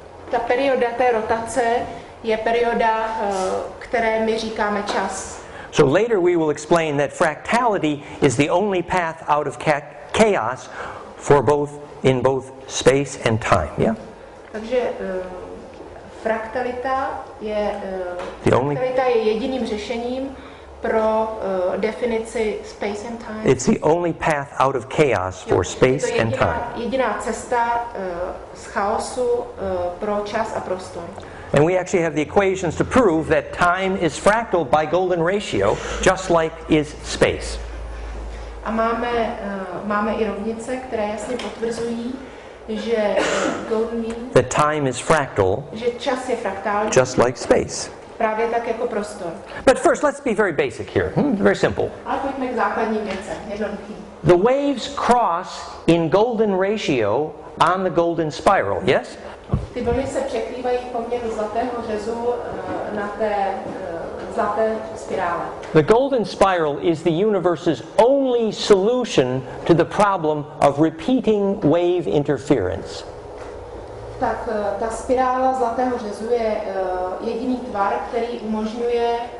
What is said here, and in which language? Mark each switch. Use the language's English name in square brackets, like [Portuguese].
[Czech] Ta perioda té rotace je perioda, které my říkáme čas. [English] So later we will explain that fractality is the only path out of chaos for both space and time, yeah? [Czech] Takže fraktalita je jediným řešením pro definici [English] space and time. It's the only path out of chaos for space and time. [Czech] Je to jediná cesta z chaosu pro čas a prostor. [English] And we actually have the equations to prove that time is fractal by golden ratio, just like is space. [Czech] A máme i rovnice, které jasně potvrzují, že [English] golden means, that time is fractal, [Czech] že čas je fraktální, [English] just like space. [Czech] Právě tak jako prostor. [English] But first, let's be very basic here, very simple. [Czech] Ale pojďme k základním věcem, jednoduchým. [English] The waves cross in golden ratio on the golden spiral, yes? [Czech] Ty vlny se překrývají v poměru zlatého řezu na té zlaté spirále. [English] The golden spiral is the universe's only solution to the problem of repeating wave interference. [Czech] Tak ta spirála zlatého řezu je jediný tvar, který umožňuje